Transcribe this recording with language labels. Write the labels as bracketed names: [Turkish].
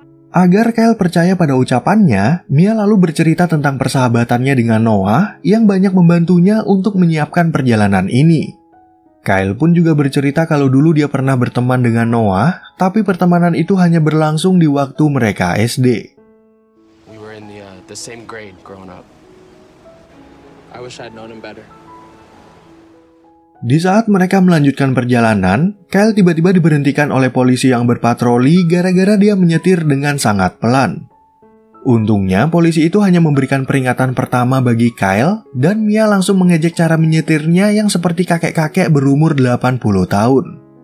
[Indonesian] Agar Kyle percaya pada ucapannya, Mia lalu bercerita tentang persahabatannya dengan Noah yang banyak membantunya untuk menyiapkan perjalanan ini. Kyle pun juga bercerita kalau dulu dia pernah berteman dengan Noah, tapi pertemanan itu hanya berlangsung di waktu mereka SD. [English] We were in the same grade growing up. I wish I'd known him better. [Indonesian] Di saat mereka melanjutkan perjalanan, Kyle tiba-tiba diberhentikan oleh polisi yang berpatroli gara-gara dia menyetir dengan sangat pelan. Untungnya, polisi itu hanya memberikan peringatan pertama bagi Kyle, dan Mia langsung mengejek cara menyetirnya yang seperti kakek-kakek berumur 80 tahun.